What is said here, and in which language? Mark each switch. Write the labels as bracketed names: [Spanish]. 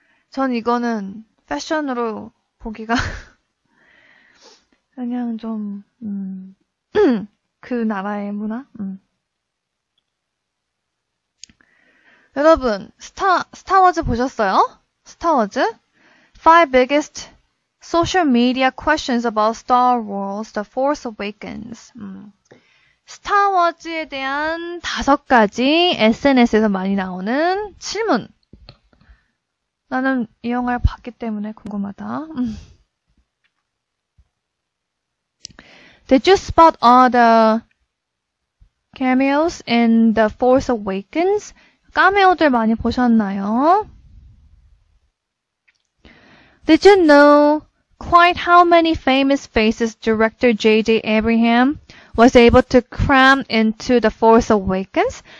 [Korean] 전 이거는 패션으로 보기가 그냥 좀 그 나라의 문화? 여러분, 스타워즈 보셨어요? 스타워즈? [English] Five biggest social media questions about Star Wars The Force Awakens. [Korean] 스타워즈에 대한 다섯 가지 SNS에서 많이 나오는 질문. 나는 이 영화를 봤기 때문에 궁금하다. [English] Did you spot all the cameos in The Force Awakens? [Korean] 카메오들 많이 보셨나요? [English] Did you know quite how many famous faces director J.J. Abraham was able to cram into The Force Awakens?